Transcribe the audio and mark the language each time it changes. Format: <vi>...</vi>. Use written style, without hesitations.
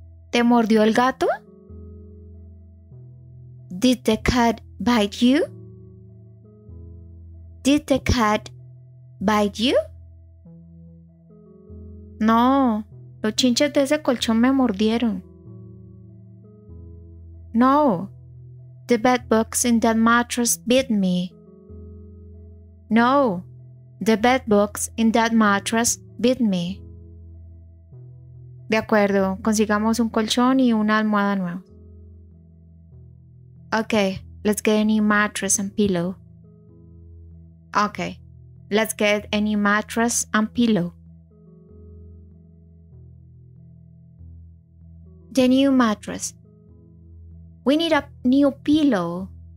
<es>¿Te mordió el gato?</es> <en>Did the cat bite you? Did the cat bite you?</en> <es>No, los chinches de ese colchón me mordieron.</es> <en>No, the bed bugs in that mattress bit me. No, the bed bugs in that mattress bit me.</en> <es>De acuerdo, consigamos un colchón y una almohada nueva.</es> <en>Okay, let's get a new mattress and pillow. Okay, let's get a new mattress and pillow. The new mattress. We need a new pillow.</en>